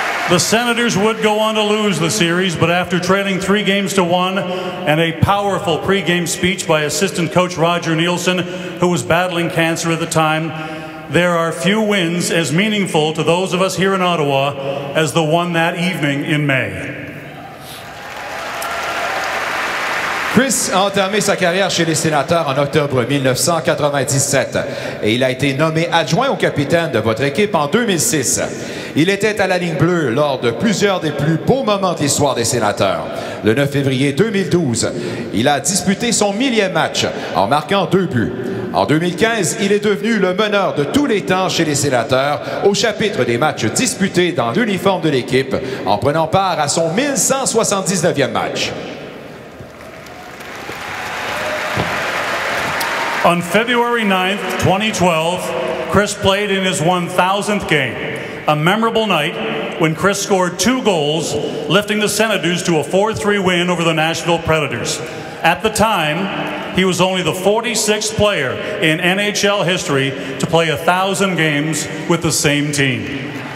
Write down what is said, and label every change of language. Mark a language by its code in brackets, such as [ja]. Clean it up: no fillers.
[en] The Senators would go on to lose the series, but after trailing 3-1 and a powerful pregame speech by assistant coach Roger Nielsen, who was battling cancer at the time, there are few wins as meaningful to those of us here in Ottawa as the one that evening in May. [fr] Chris a entamé sa carrière chez les Sénateurs en octobre 1997 et il a été nommé adjoint au capitaine de votre équipe en 2006. Il était à la ligne bleue lors de plusieurs des plus beaux moments de l'histoire des Sénateurs. Le 9 février 2012, il a disputé son 1000e match en marquant 2 buts. En 2015, il est devenu le meneur de tous les temps chez les Sénateurs au chapitre des matchs disputés dans l'uniforme de l'équipe en prenant part à son 1179e match. [en] On February 9th, 2012, Chris played in his 1,000th game, a memorable night when Chris scored 2 goals, lifting the Senators to a 4-3 win over the Nashville Predators. At the time, he was only the 46th player in NHL history to play 1,000 games with the same team.